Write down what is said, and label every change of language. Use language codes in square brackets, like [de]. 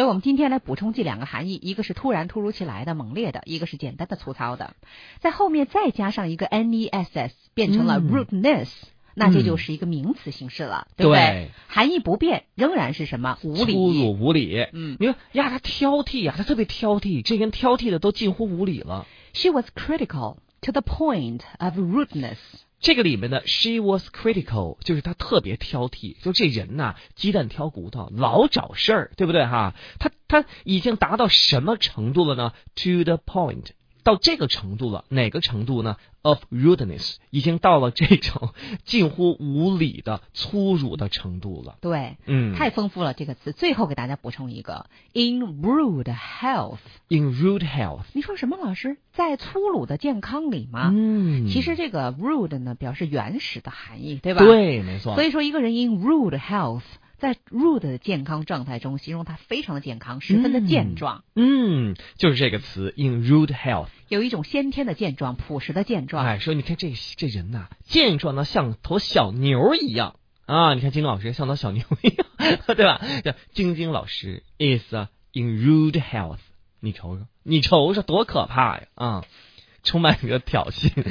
[zh] 所以我们今天来补充这两个含义，一个是突然突如其来的猛烈的，一个是简单的粗糙的，在后面再加上一个 ness 变成了 rudeness。那这就是一个名词形式了，对不对？含义不变，仍然是什么无理、粗鲁、无理。嗯，你说呀，他挑剔呀、啊，他特别挑剔，这跟挑剔的都近乎无理了。 [en] She was critical to the point of rudeness。 [zh] 这个里面的 [en] she was critical [zh] 就是他特别挑剔，就这人呐、啊，鸡蛋挑骨头，老找事儿，对不对哈？他已经达到什么程度了呢 ？ [en] To the point。 [zh] 到这个程度了，哪个程度呢 ？ [en] Of rudeness， [zh] 已经到了这种近乎无理的粗鲁的程度了。对，嗯，太丰富了这个词。最后给大家补充一个 ， [en] in rude health。 in rude health， [zh] 你说什么老师？在粗鲁的健康里吗？嗯，其实这个 rude 呢，表示原始的含义，对吧？对，没错。所以说，一个人 [en] in rude health。 [zh] 在 rude 的健康状态中，形容他非常的健康，十分的健壮。就是这个词 [en] in rude health， [zh] 有一种先天的健壮，朴实的健壮。哎，说你看这人呐、啊，健壮的像头小牛一样啊！你看金老师像头小牛一样，对吧？叫晶晶老师 [en] is in rude health， [zh] 你瞅瞅，你瞅瞅多可怕呀！啊、嗯。充满一个挑衅